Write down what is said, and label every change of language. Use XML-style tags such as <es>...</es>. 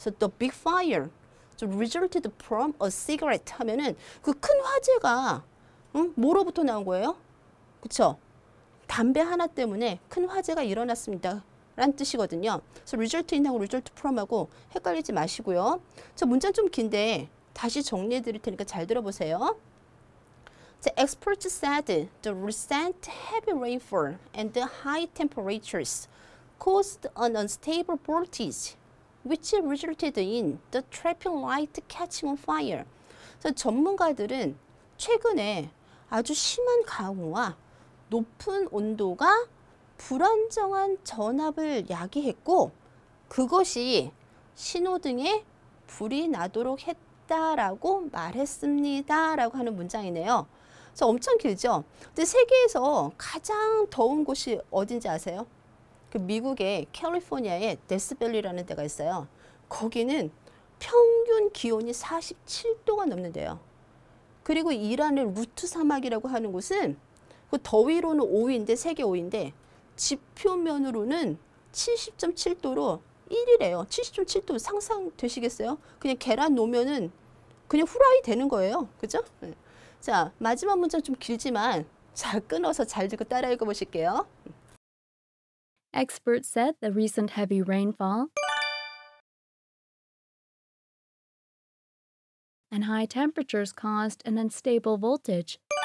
<en>So, the big fire so resulted from a cigarette</en> <ko>하면은 그 큰 화재가 뭐로부터 나온 거예요? 그쵸? 담배 하나 때문에 큰 화재가 일어났습니다. 라는 뜻이거든요. So result in하고 result from하고 헷갈리지 마시고요. 저 문장 좀 긴데 다시 정리해 드릴 테니까 잘 들어보세요.</ko> <en>The experts said the recent heavy rainfall and the high temperatures caused an unstable voltage which resulted in the traffic light catching on fire.</en> <ko>So 전문가들은 최근에 아주 심한 강우와 높은 온도가 불안정한 전압을 야기했고 그것이 신호등에 불이 나도록 했다라고 말했습니다 라고 하는 문장이네요. 그래서 엄청 길죠? 근데 세계에서 가장 더운 곳이 어딘지 아세요? 그 미국의 캘리포니아의 데스밸리라는 데가 있어요. 거기는 평균 기온이 47도가 넘는데요. 그리고 이란의 루트 사막이라고 하는 곳은 그 더위로는 5위인데 세계 5위인데 지표면으로는 70.7도로 1이래요. 70.7도 상상되시겠어요? 그냥 계란 놓으면은 그냥 후라이 되는 거예요. 그죠? 자, 마지막 문장 좀 길지만 잘 끊어서 잘 듣고 따라 읽어 보실게요.</ko> <en>Experts said the recent heavy rainfall and high temperatures caused an unstable voltage.</en>